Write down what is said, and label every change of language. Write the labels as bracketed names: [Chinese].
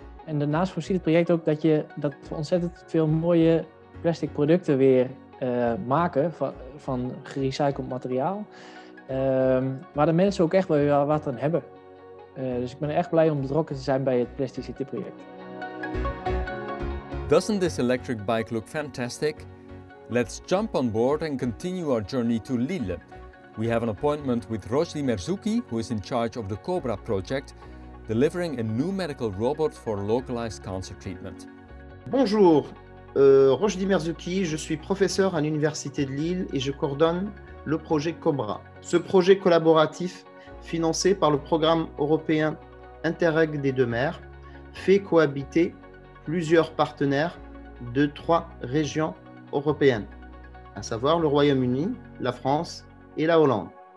[Dutch] En daarnaast voorziet het project ook dat we ontzettend veel mooie plastic producten weer maken van gerecycled materiaal. Waar de mensen ook echt wel wat aan hebben. Dus ik ben echt blij om betrokken te zijn bij het Plastic City project. [English] Doesn't this electric bike look fantastic? Let's jump on board and continue our journey to Lille. We have an appointment with Rojdi Merzouki, who is in charge of the COBRA project, delivering a new medical robot for localized cancer treatment. [French] Bonjour, Rojdi Merzouki, je suis professeur à l'Université de Lille et je coordonne le projet COBRA. Ce projet collaboratif, financé par le programme européen Interreg des deux mers, fait cohabiter plusieurs partenaires de trois régions européennes, à savoir le Royaume-Uni, la France et la Hollande.